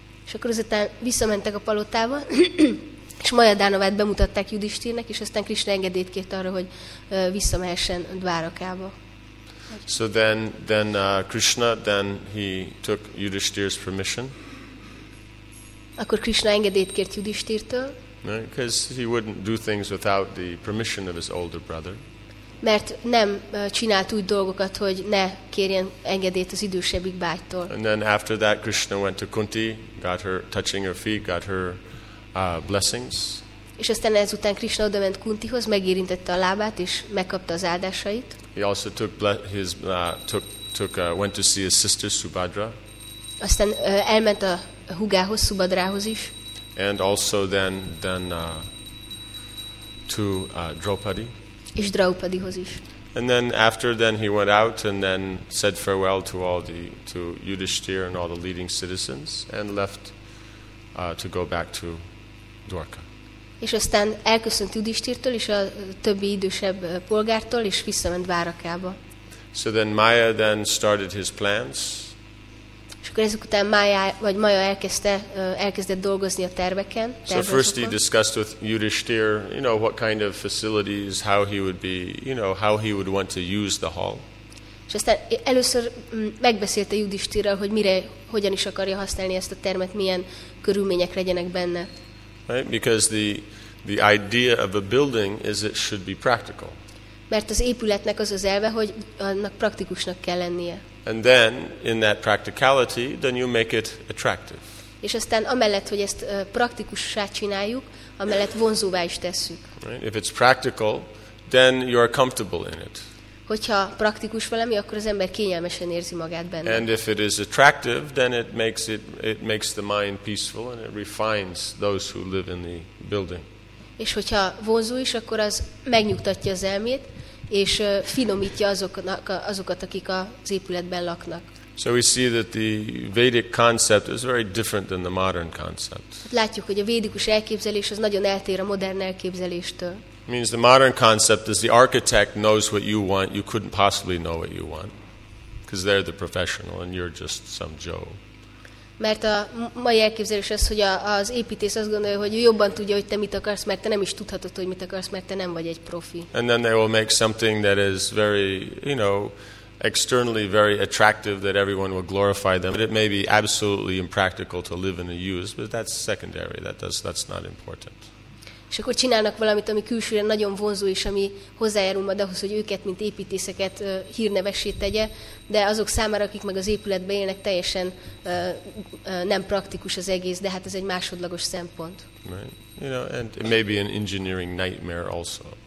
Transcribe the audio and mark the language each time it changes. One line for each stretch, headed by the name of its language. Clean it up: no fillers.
Hungarian: És akkor ezután visszamentek a palotába, és Maya Dhanavát bemutatták Yudhishthirnek, és aztán Krishna engedélyt kért arra, hogy visszamehessen Dwarakába.
English: So then Krishna then he took Yudhishthir's permission.
Hungarian: Akkor Krishna engedélyt kért Yudhishthirtől.
English: Because he wouldn't do things without the permission of his older brother.
Hungarian: Mert nem csinált úgy dolgokat, hogy ne kérjen engedélyt az idősebbik bátytól.
English: And then after that Krishna went to Kunti, got her touching her feet, got her blessings.
Hungarian: És aztán ezután Krishna odament Kuntihoz, megérintette a lábát és megkapta az áldásait.
English: He also went to see his sister Subhadra.
Hungarian: Aztán elment a húgához, Subhadrához is.
English: And also then to Draupadi.
Hungarian: És Draupadihoz is.
English: And then after then he went out and then said farewell to Yudhishthir and all the leading citizens and left to go back to Dwarka.
Hungarian: És aztán elköszönt Yudhishthirtől és a többi idősebb polgártól és visszament Dwarakába.
English: So then Maya then started his plans.
Hungarian: És akkor ezek után Maya elkezdett dolgozni a terveken.
English: So first he discussed with Yudhishthir, you know, what kind of facilities, how he would be, you know, how he would want to use the hall.
Hungarian: És aztán először megbeszélte Yudhishthirrel, hogy mire, hogyan is akarja használni ezt a termet, milyen körülmények legyenek benne.
English: Right? Because the idea of a building is it should be practical.
Hungarian: Mert az épületnek az az elve, hogy annak praktikusnak kell lennie.
English: And then in that practicality then you make it attractive.
Hungarian: És aztán amellett, hogy ezt praktikussá csináljuk, amellett vonzóvá is tesszük.
English: Right? If it's practical, then you are comfortable in it.
Hungarian: Hogyha praktikus valami, akkor az ember kényelmesen érzi magát benne.
English: And if it is attractive, then it makes the mind peaceful and it refines those who live in the building.
Hungarian: És hogyha vonzó is, akkor az megnyugtatja az elmét. És finomítja azokat, akik az épületben laknak.
English: So we see that the Vedic concept is very different than the modern concept.
Hungarian: Látjuk, hogy a védikus elképzelés az nagyon eltér a modern elképzeléstől.
English: It means the modern concept is the architect knows what you want, you couldn't possibly know what you want, because they're the professional and you're just some Joe.
Hungarian: Mert a mai elképzelés az, hogy az építész azt gondolja, hogy jobban tudja, hogy te mit akarsz, mert te nem is tudhatod, hogy mit akarsz, mert te nem vagy egy profi.
English: And then they will make something that is very, you know, externally very attractive that everyone will glorify them. But it may be absolutely impractical to live in a use, but that's secondary, that's not important.
Hungarian: És akkor csinálnak valamit, ami külsőre nagyon vonzó, és ami hozzájárul majd ahhoz, hogy őket, mint építészeket hírnevessé tegye, de azok számára, akik meg az épületben élnek, teljesen nem praktikus az egész, de hát ez egy másodlagos szempont.
English: Right. You know, and it may be an engineering nightmare also.